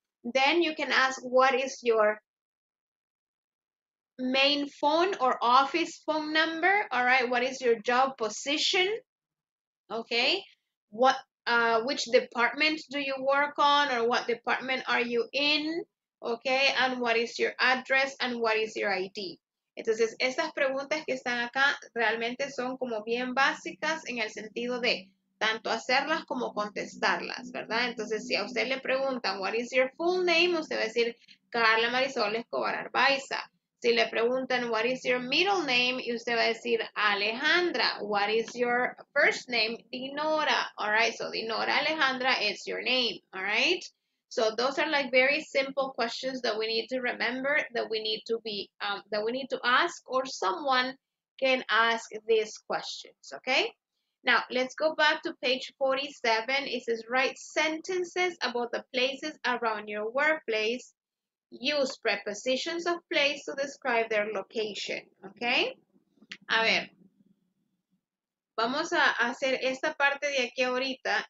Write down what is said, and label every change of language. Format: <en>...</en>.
<en>Then you can ask what is your main phone or office phone number. All right, what is your job position? Okay, what which department do you work on, or what department are you in? Okay, and what is your address and what is your ID?</en> <es>Entonces, estas preguntas que están acá realmente son como bien básicas en el sentido de tanto hacerlas como contestarlas, ¿verdad? Entonces, si a usted le preguntan,</es> <en>what is your full name?</en> <es>Usted va a decir, Carla Marisol Escobar Arbaiza. Si le preguntan,</es> <en>what is your middle name?</en> <es>Y usted va a decir, Alejandra.</es> <en>What is your first name? Dinora. All right, so Dinora Alejandra is your name. All right? So those are like very simple questions that we need to remember, that we need to be, that we need to ask, or someone can ask these questions, okay? Now, let's go back to page 47. It says, write sentences about the places around your workplace. Use prepositions of place to describe their location, okay?</en> <es>A ver, vamos a hacer esta parte de aquí ahorita.</es>